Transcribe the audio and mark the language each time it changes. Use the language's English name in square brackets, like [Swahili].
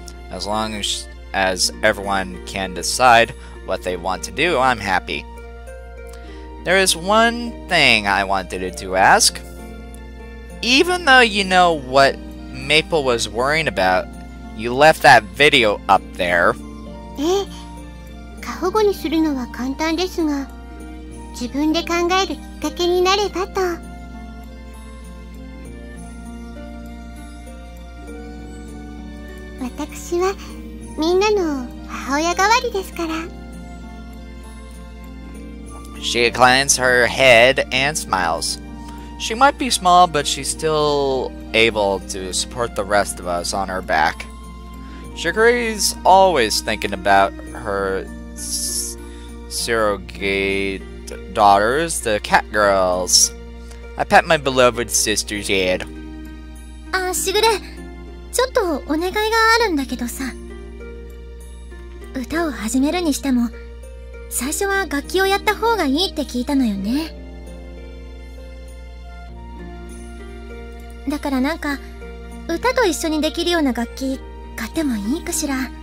[English] As long as everyone can decide what they want to do, I'm happy. There is one thing I wanted to ask. Even though you know what Maple was worrying about, you left that video up there. [Japanese] ええ、過保護にするのは簡単ですが、自分で考えるきっかけになればと。私はみんなの母親代わりですから。 [English] She inclines her head and smiles. She might be small, but she's still able to support the rest of us on her back. Shigure's always thinking about her surrogate daughters, the cat girls. I pat my beloved sister's head. Shigure! [Japanese] ちょっとお願いがあるんだけどさ。歌を始めるにしても、最初は楽器をやった方がいいって聞いたのよね。だからなんか、歌と一緒にできるような楽器、買ってもいいかしら。